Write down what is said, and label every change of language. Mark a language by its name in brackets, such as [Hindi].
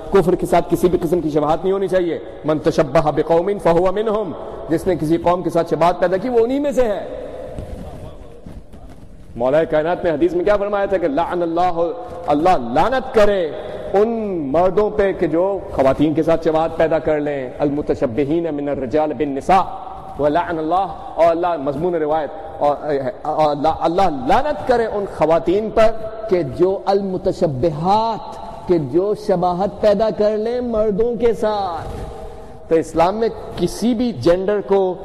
[Urdu] کفر کے ساتھ کسی بھی قسم کی شباہت نہیں ہونی چاہیے. من تشبہ بقوم فہو منہم. جس نے کسی قوم کے ساتھ شباہت پیدا کی وہ انہی میں سے ہے. مولا کائنات نے حدیث میں کیا فرمایا تھا کہ لعن اللہ, اللہ لعنت کرے ان مردوں پہ کہ جو خواتین کے ساتھ شباہت پیدا کر لیں. [Arabic] المتشبہین من الرجال بالنساء. [Urdu] ولعن اللہ, اور اللہ مضمون روایت, اور اللہ لعنت کرے ان خواتین پر کہ جو المتشبہات, کہ جو شباہت پیدا کر لیں مردوں کے ساتھ. تو اسلام میں کسی بھی جینڈر کو